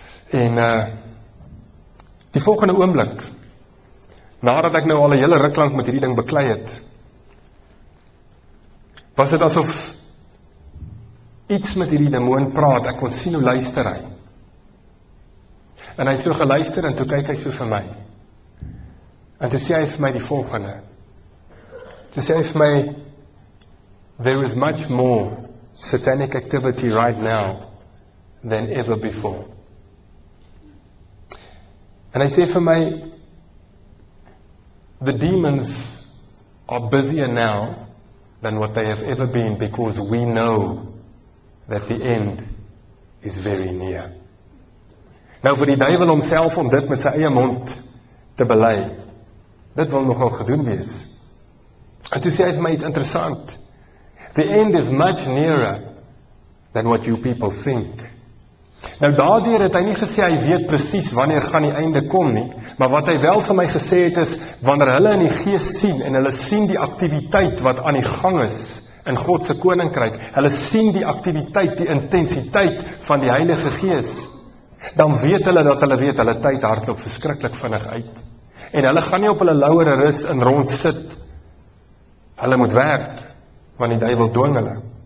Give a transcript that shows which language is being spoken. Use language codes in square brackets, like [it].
[af] En die volgende oomblik, nadat ek nou al 'n hele ruk lank met hierdie ding beklei het, was dit asof iets met hierdie demoon praat. Ek kon sien hoe luister hy. En hy so geluister en toe kyk hy so vir my. En toe sê hy vir my die volgende. Toe sê hy vir my, [en] there is much more satanic activity right now than ever before. [af] En hy sê vir my, [en] the demons are busier now than what they have ever been because we know that the end is very near. [af] Nou vir die duivel homself om dit met sy eie mond te bely, dit wil nogal gedoen wees. En toe sê hy vir my iets interessant. [en] The end is much nearer than what you people think. [af] Nou daardeur het hy nie gesê hy weet presies wanneer gaan die einde kom nie, maar wat hy wel vir my gesê het is, wanneer hulle in die gees sien, en hulle sien die aktiwiteit wat aan die gang is, in Godse koninkryk, hulle sien die aktiwiteit, die intensiteit van die Heilige Gees, dan weet hulle dat hulle weet, hulle tyd hardloop verskriklik vinnig uit, en hulle gaan nie op hulle lauwere rus en rond sit, hulle moet werk, want die duivel dwing hulle.